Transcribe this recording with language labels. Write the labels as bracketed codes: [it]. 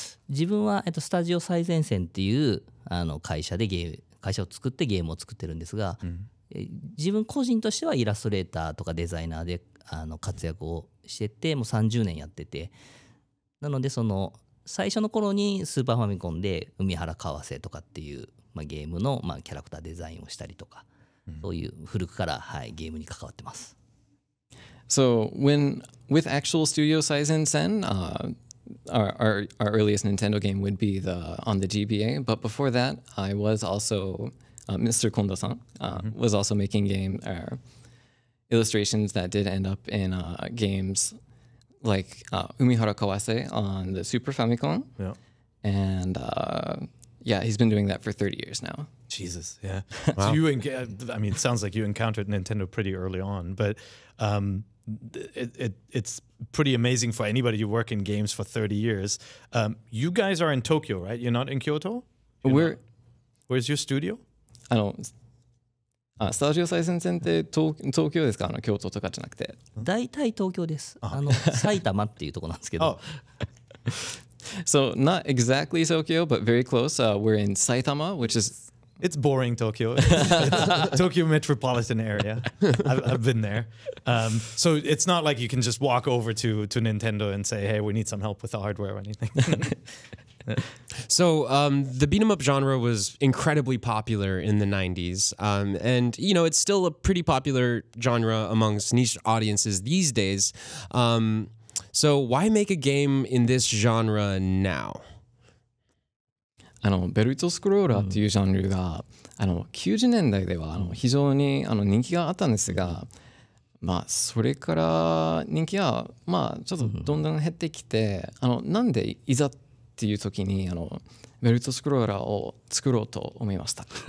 [ja] 自分は、スタジオ最前線っていう会社でゲーム、会社を作ってゲームを作ってるんですが、うん、自分個人としてはイラストレーターとかデザイナーで活躍をしてて、もう30年やってて、なので、その、最初の頃にスーパーファミコンで海原かわせとかっていう、まあ、ゲームの、まあ、キャラクターデザインをしたりとか、うん、そういう古くから、はい、ゲームに関わってます。 [en] So when with actual studio size in Sen, our earliest Nintendo game would be the on the GBA, but before that I was also Mr. Kondo-san was also making game illustrations that did end up in gamesLike Umihara Kawase on the Super Famicom. Yeah. And yeah, he's been doing that for 30 years now. Jesus, yeah. Wow. So it sounds like you encountered Nintendo pretty early on, but it's pretty amazing for anybody who work in games for 30 years. You guys are in Tokyo, right? You're not in Kyoto? Where's your studio? I don't... [ja] スタジオ最前線って東京ですか？京都とかじゃなくて。大体東京です。埼玉っていうとこなんですけど。 [en] So, not exactly Tokyo, but very close. We're in Saitama, which is It's boring Tokyo. It's Tokyo metropolitan area. I've been there. So it's not like you can just walk over to Nintendo and say, hey, we need some help with the hardware or anything. So the beat-em-up genre was incredibly popular in the 90s. And, you know, it's still a pretty popular genre amongst niche audiences these days. So why make a game in this genre now? [ja] あのベルトスクローラーっていうジャンルが、うん、あの90年代ではあの非常にあの人気があったんですが、まあ、それから人気はまあちょっとどんどん減ってきて、うん、あのなんでいざっていう時にあのベルトスクローラーを作ろうと思いました